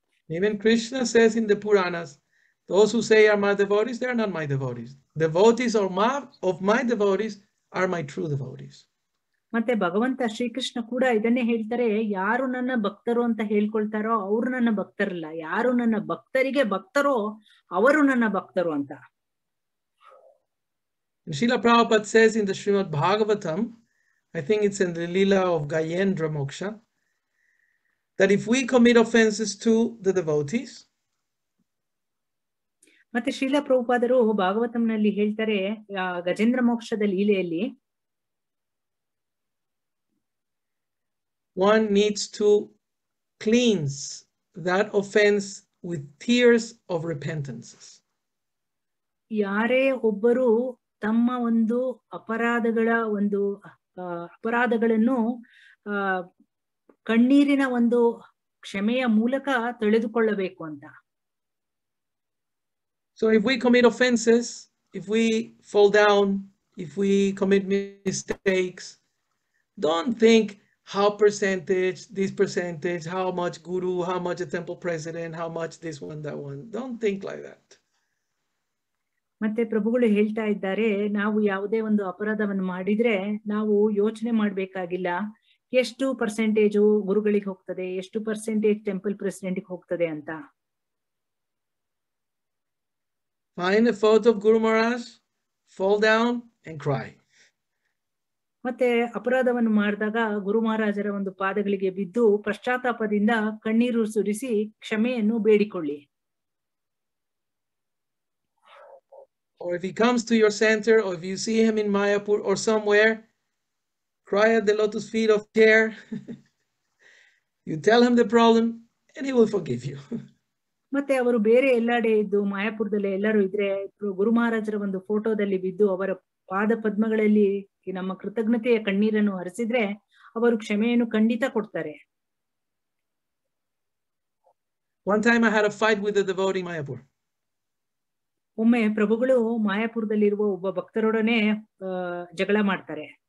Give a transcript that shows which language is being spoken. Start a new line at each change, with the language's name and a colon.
English: Even Krishna says in the Puranas, those who say are my devotees, they are not my devotees. Devotees of my devotees are my true devotees.
Kannada: ಮತ್ತೆ ಭಗವಂತ ಶ್ರೀಕೃಷ್ಣ ಕೂಡ ಇದನ್ನೇ ಹೇಳ್ತಾರೆ, ಯಾರು ನನ್ನ ಭಕ್ತರು ಅಂತ ಹೇಳ್ಕೊಳ್ತಾರೋ ಅವರು ನನ್ನ ಭಕ್ತರಲ್ಲ, ಯಾರು ನನ್ನ ಭಕ್ತರಿಗೆ ಭಕ್ತರೋ ಅವರು ನನ್ನ ಭಕ್ತರು ಅಂತ.
English: Srila Prabhupada says in the Srimad Bhagavatam, I think it's in the Leela of Gayendra Moksha, that if we commit offenses to the devotees,
Kannada: ಮತ್ತೆ ಶ್ರೀಲ ಪ್ರಭುಪಾದರು ಭಾಗವತಂನಲ್ಲಿ ಹೇಳ್ತಾರೆ ಗಜೇಂದ್ರ ಮೋಕ್ಷದ ಲೀಲೆಯಲ್ಲಿ,
English: one needs to cleanse that offense with tears of repentances.
Kannada: ಯಾರೇ ಒಬ್ಬರು ತಮ್ಮ ಒಂದು ಅಪರಾಧಗಳ ಒಂದು ಅಪರಾಧಗಳನ್ನು ಕಣ್ಣೀರಿನ ಒಂದು ಕ್ಷಮೆಯ ಮೂಲಕ ತೊಳೆದುಕೊಳ್ಳಬೇಕು ಅಂತ.
English: So if we commit offenses, if we fall down, if we commit mistakes, don't think how percentage, this percentage, how much guru, how much a temple president, how much this one, that one. Don't think like that.
Kannada: ಮತ್ತೆ ಪ್ರಭುಗಳು ಹೇಳ್ತಾ ಇದ್ದಾರೆ, ನಾವು ಯಾವುದೇ ಒಂದು ಅಪರಾಧವನ್ನು ಮಾಡಿದ್ರೆ ನಾವು ಯೋಚನೆ ಮಾಡಬೇಕಾಗಿಲ್ಲ ಎಷ್ಟು ಪರ್ಸೆಂಟೇಜ್ ಗುರುಗಳಿಗೆ ಹೋಗ್ತದೆ, ಎಷ್ಟು ಪರ್ಸೆಂಟೇಜ್ ಟೆಂಪಲ್ ಪ್ರೆಸಿಡೆಂಟ್ಗೆ ಹೋಗ್ತದೆ ಅಂತ.
English: Find a photo of Guru Maharaj, fall down and cry.
Kannada: ಮತ್ತೆ ಅಪರಾಧವನ್ನು ಮಾಡಿದಾಗ ಗುರು ಮಹಾರಾಜರ ಒಂದು ಪಾದಗಳಿಗೆ ಬಿದ್ದು ಪಶ್ಚಾತ್ತಾಪದಿಂದ ಕಣ್ಣೀರು ಸುರಿಸಿ ಕ್ಷಮೆಯನ್ನು ಬೇಡಿಕೊಳ್ಳಿ.
English: Or if he comes to your center, or if you see him in Mayapur or somewhere, cry at the lotus feet of care. You tell him the problem and he will forgive you.
Kannada: ಮತ್ತೆ ಅವರು ಬೇರೆ ಎಲ್ಲಡೆ ಇದ್ದು ಮಾಯಾಪುರದಲ್ಲಿ ಎಲ್ಲರೂ ಇದ್ರೆ ಗುರು ಮಹಾರಾಜರ ಒಂದು ಫೋಟೋದಲ್ಲಿ ಬಿದ್ದು ಅವರ ಪಾದ ಪದ್ಮಗಳಲ್ಲಿ ನಮ್ಮ ಕೃತಜ್ಞತೆಯ ಕಣ್ಣೀರನ್ನು ಹರಿಸಿದ್ರೆ ಅವರು ಕ್ಷಮೆಯನ್ನು ಖಂಡಿತ ಕೊಡ್ತಾರೆ.
English: One time I had a fight with the devotee in Mayapur.
Kannada: ಒಮ್ಮೆ ಪ್ರಭುಗಳು ಮಾಯಾಪುರದಲ್ಲಿರುವ ಒಬ್ಬ ಭಕ್ತರೊಡನೆ ಜಗಳ ಮಾಡ್ತಾರೆ.